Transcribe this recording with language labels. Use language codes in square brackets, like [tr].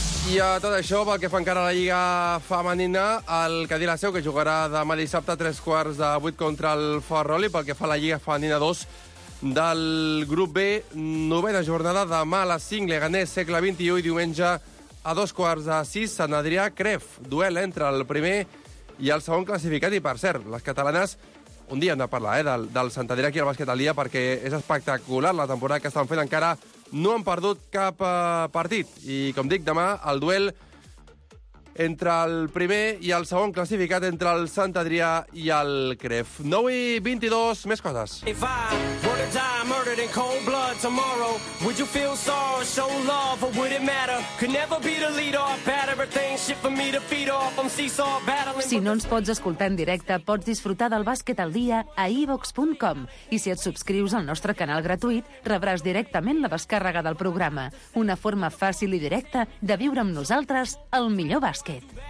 [ca] I a tot això, pel que fa encara a la Lliga Femenina, el Cadira-Seu, que jugarà demà dissabte a 7:45 contra el Ferrol, i pel que fa a la Lliga Femenina 2 del grup B, novena jornada, demà a les 5, Leganés, segle XXI, i diumenge a 6:15, Sant Adrià-Cref, duel entre el primer i el segon classificat. I, per cert, les catalanes, un dia hem de parlar del Sant Adrià aquí al Bàsquet al Dia, perquè és espectacular la temporada que estan fent encara. No han perdut cap partit. I, com dic, demà el duel entre el primer i el segon classificat entre el Sant Adrià i el Cref. 9:22, més coses. [en] If I were to die murdered in cold blood tomorrow, would you feel sorrow, show love, or would it matter? Could never be the leader or batter, things shit for me to feed off, I'm seesaw battling. [ca] Si no ens pots escoltar en directe, pots disfrutar del Bàsquet al Dia a iVox.com. I si et subscrius al nostre canal gratuït, rebràs directament la descàrrega del programa. Una forma fàcil i directa de viure amb nosaltres el millor bàsquet.